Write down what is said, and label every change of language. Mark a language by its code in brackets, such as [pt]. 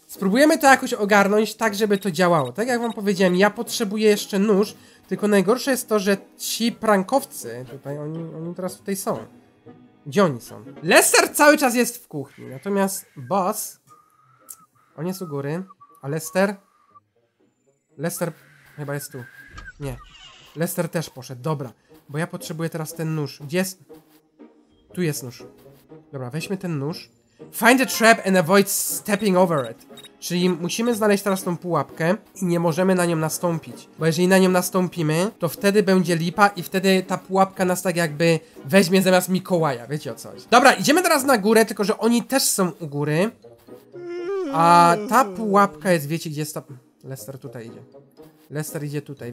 [pl] Spróbujemy to jakoś ogarnąć tak, żeby to działało. Tak jak wam powiedziałem, ja potrzebuję jeszcze nóż, tylko najgorsze jest to, że ci prankowcy, tutaj oni teraz tutaj są. Gdzie oni są? Lester cały czas jest w kuchni, natomiast boss... On jest u góry, a Lester? Lester chyba jest tu. Nie. Lester też poszedł, dobra. Bo ja potrzebuję teraz ten nóż. Gdzie jest? Tu jest nóż. Dobra, weźmy ten nóż. [en] Find a trap and avoid stepping over it. [pl] Czyli musimy znaleźć teraz tą pułapkę i nie możemy na nią nastąpić. Bo jeżeli na nią nastąpimy, to wtedy będzie lipa i wtedy ta pułapka nas tak jakby weźmie zamiast Mikołaja, wiecie o coś. Dobra, idziemy teraz na górę, tylko że oni też są u góry. A ta pułapka jest, wiecie gdzie jest ta... Lester tutaj idzie. Lester idzie tutaj.